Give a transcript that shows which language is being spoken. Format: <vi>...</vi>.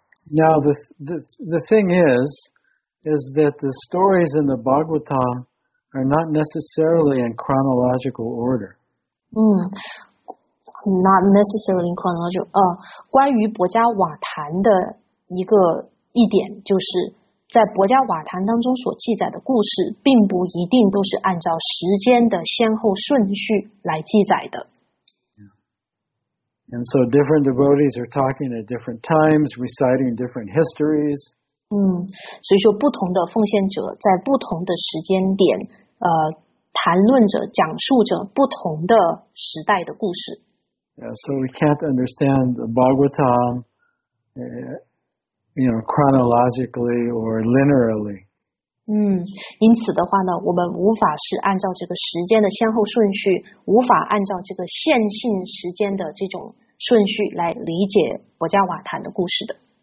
<en>Now the thing is that the stories in the Bhagavatam are not necessarily in chronological order. Not necessarily in chronological.</en> <zh>关于薄伽瓦坛的一点就是在薄伽瓦坛当中所记载的故事，并不一定都是按照时间的先后顺序来记载的。</zh> <en>And so different devotees are talking at different times, reciting different histories.</en> <zh>所以说不同的奉献者在不同的时间点，谈论着、讲述着不同的时代的故事。</zh> <en>Yeah, so we can't understand the Bhagavatam, chronologically or linearly.</en> <zh>因此的话呢，我们无法是按照这个时间的先后顺序，无法按照这个线性时间的这种顺序来理解博加瓦坦的故事的。</zh>